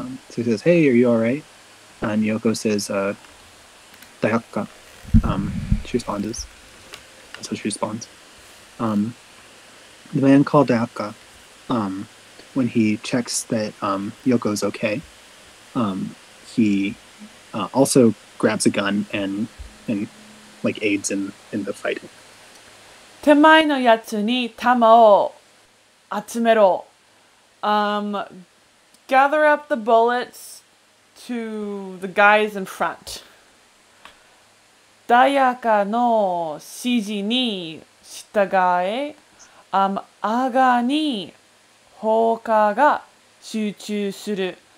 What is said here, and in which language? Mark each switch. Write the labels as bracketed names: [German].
[English] So he says, hey, are you alright? And Yoko says, Dayakka. She responds. That's how she responds. The man called Dayakka, when he checks that Yoko's okay, he also grabs a gun and like aids in the fighting. [Japanese] 手前のやつに弾を集めろ。 [English] Gather up the bullets to the guys in front. [Japanese] ダイヤカの指示に従え。アガに砲火が集中する。